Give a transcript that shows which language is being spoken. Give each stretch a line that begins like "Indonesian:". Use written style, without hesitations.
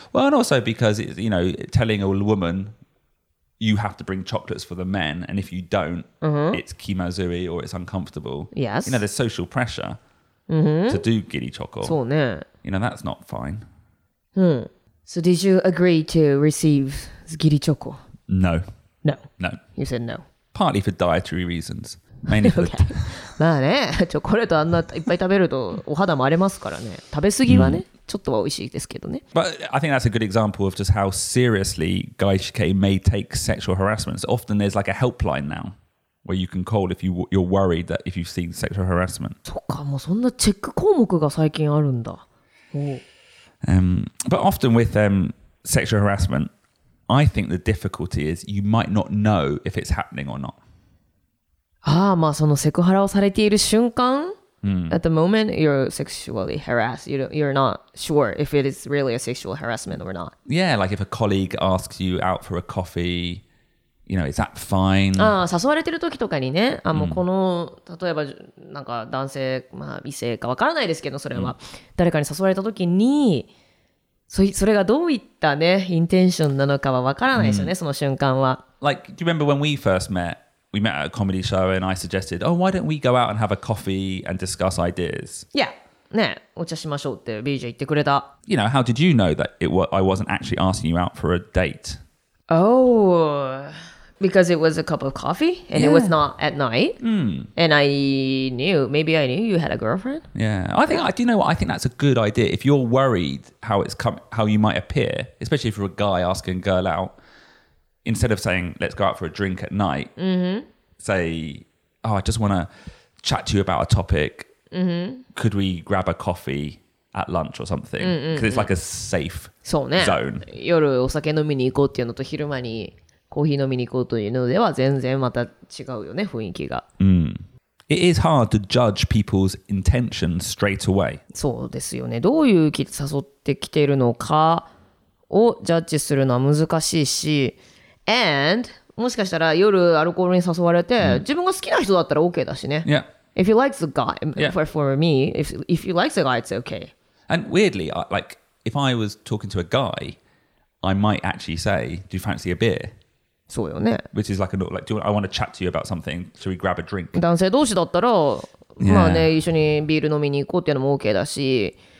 English: Well, and also because, it's, you know, telling a woman, you have to bring chocolates for the men, and if you don't,、 uh-huh. it's kimazuri or it's uncomfortable. Yes. You know, there's social pressure、 uh-huh. to do giri choco.
Japanese: そうね。
English: You know, that's not fine. Hmm. So did you agree to receive giri choco? No. No? No. You said no. Partly for dietary reasons. Mainly for the...
Japanese: まあね、チョコレートあんないっぱい食べるとお肌も荒れますからね。食べ過ぎはね、ちょっとは美味しいですけどね。
English: But I think that's a good example of just how seriously gaishike may take sexual harassment. So often there's like a helpline now. Where you can call if you're worried that if you've seen sexual harassment.
Japanese: そっか、もうそんなチェック項目が最近あるんだ。
English: But often with sexual harassment, I think the difficulty is you might not know if it's happening or not.
Japanese: Ah, まあそのセクハラをされている瞬間、
English: at the moment, you're sexually harassed. You're not sure if it is really a sexual harassment or not. Yeah, like if a colleague asks you out for a coffee... You know, is that fine?
Japanese: ああ、誘われてる時とかにね、あもうこの、例えば、なんか男性、まあ、異性か分からないですけど、それは、誰かに誘われた時に、それがどういったね、インテンションなのかは分からないですよね、その瞬間は。
English: Like, do you remember when we first met? We met at a comedy show and I suggested, oh, why don't we go out and have a coffee and discuss ideas? Yeah.
Japanese: ね、お茶しましょうって BJ 言ってくれた。
English: You know, how did you know that I wasn't actually asking you out for a date? Oh, because it was a cup of coffee and、yeah. it was not at night.、And I knew, maybe I knew you had a girlfriend. Yeah, I think, do you know what? I think that's a good idea. If you're worried how you might appear, especially if you're a guy asking a girl out, instead of saying, let's go out for a drink at night, say, oh, I just want to chat to you about a topic. Could we grab a coffee at lunch or something? Because it's like a safe zone.
Japanese: そうね。夜お酒飲みに行こうっていうのと昼間にコーヒー飲みに行こうというのでは全然また違うよね、雰囲気が。
English: It is hard to judge people's intentions straight away.
Japanese: そうですよね。どういう気で誘ってきているのかをジャッジするのは難しいし、and もしかしたら夜アルコールに誘われて、自分が好きな人だったら OK だしね。
English: Yeah. If he likes a guy, for me, if he likes a guy, it's okay. And weirdly, like if I was talking to a guy, I might actually say, "Do you fancy a beer?"
Japanese: そうよね。
English: Which is like, I want to chat to you about something. Should we grab a drink?
Japanese: 男性同士だったら、まあね、一緒にビール飲みに行こうっていうのも OK だし。